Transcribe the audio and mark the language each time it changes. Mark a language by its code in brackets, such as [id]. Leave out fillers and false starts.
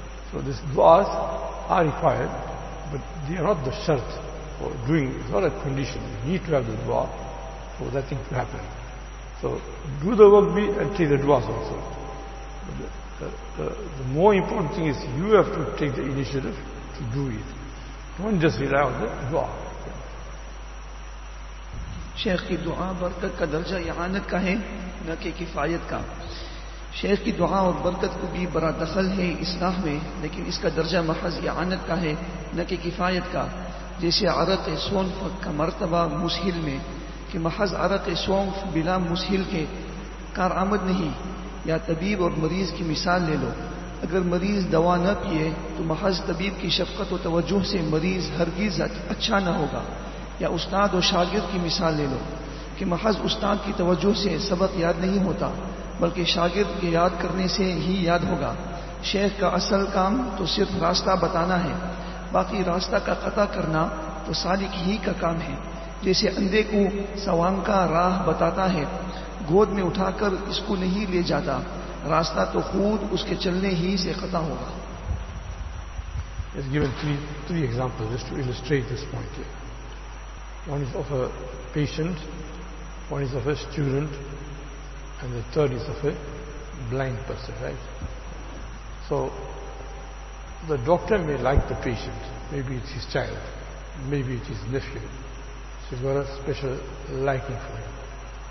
[en] So these duas are required, but they are not the shart for doing. It's not a condition. You need to have the dua for that thing to happen. So do the work be and take the duas also. The more important thing is you have to take the initiative to do it. Don't just rely on the dua. [ur] شیخ کی دعا برکت کا درجہ اعانت کا ہے نہ کہ کفایت کا. شیخ کی دعا اور برکت کو بھی بڑا دخل ہے اصلاح میں، لیکن اس کا درجہ محض اعانت کا ہے نہ کہ کفایت کا. جیسے عرق سونف کا مرتبہ مسحل میں، کہ محض عرق سونف بلا مسحل کے کارآمد نہیں. یا طبیب اور مریض کی مثال لے لو، اگر مریض دوا نہ پیے تو محض طبیب کی شفقت و توجہ سے مریض ہرگز اچھا نہ ہوگا. یا استاد و شاگرد کی مثال لے لو، کہ محض استاد کی توجہ سے سبق یاد نہیں ہوتا بلکہ شاگرد کے یاد کرنے سے ہی یاد ہوگا. شیخ کا اصل کام تو صرف راستہ بتانا ہے، باقی راستہ کا قطع کرنا تو سالک ہی کا کام ہے. جیسے اندھے کو سوانگ کا راہ بتاتا ہے، گود میں اٹھا کر اس کو نہیں لے جاتا، راستہ تو خود اس کے چلنے ہی سے قطع ہوگا. [en] He's given three examples just to illustrate this point here. One is of a patient, one is of a student, and the third is of a blind person, right? So the doctor may like the patient, maybe it's his child, maybe it's his nephew, so he's got a special liking for him.